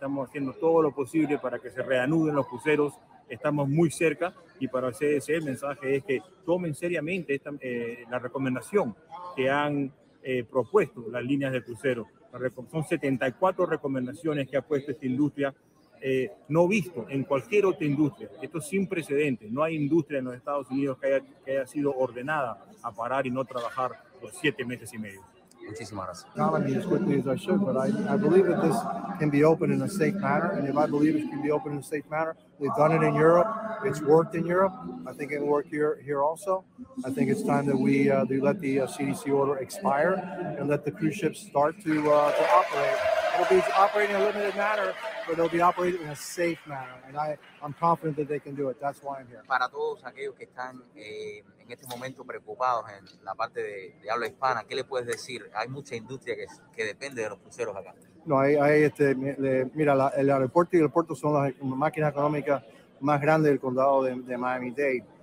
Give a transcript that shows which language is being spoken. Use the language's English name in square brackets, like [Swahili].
[Spanish] Estamos haciendo todo lo posible para que se reanuden los cruceros. Estamos muy cerca y para CDC el mensaje es que tomen seriamente la recomendación que han propuesto las líneas de crucero. Son 74 recomendaciones que ha puesto esta industria, no visto en cualquier otra industria. Esto es sin precedentes. No hay industria en los Estados Unidos que haya sido ordenada a parar y no trabajar por 7 meses y medio. Muchísimas gracias. [English] I believe that this can be open in a safe manner, and if I believe it can be open in a safe manner, they've done it in Europe. It's worked in Europe. I think it will work here also. I think it's time that we let the CDC order expire and let the cruise ships start to operate. It'll be operating in a limited manner, but they'll be operating in a safe manner, and I'm confident that they can do it. That's why I'm here. [Spanish] Para todos aquellos que están en este momento preocupados en la parte de habla hispana, ¿qué le puedes decir? Hay mucha industria que depende de los cruceros acá. No, el aeropuerto y el puerto son las máquinas económicas más grandes del condado de Miami-Dade.